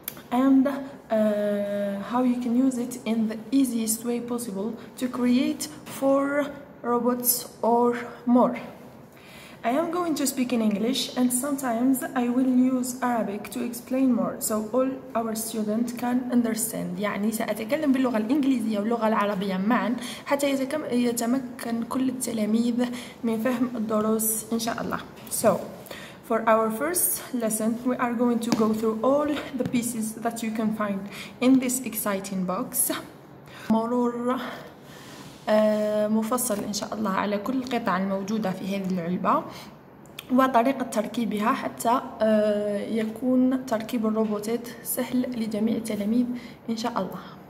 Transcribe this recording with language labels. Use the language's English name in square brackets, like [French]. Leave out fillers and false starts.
[English] And how you can use it in the easiest way possible to create 4 robots or more. I am going to speak in English and sometimes I will use Arabic to explain more so all our students can understand. [Arabic] يعني سأتكلم باللغة الإنجليزية واللغة العربية معا حتى يتمكن كل التلاميذ من فهم الدروس إن شاء الله. [English] So for our first lesson we are going to go through all the pieces that you can find in this exciting box. [Arabic] مرور مفصل إن شاء الله على كل القطع الموجودة في هذه العلبة وطريقة تركيبها حتى يكون تركيب الروبوتات سهل لجميع التلاميذ إن شاء الله.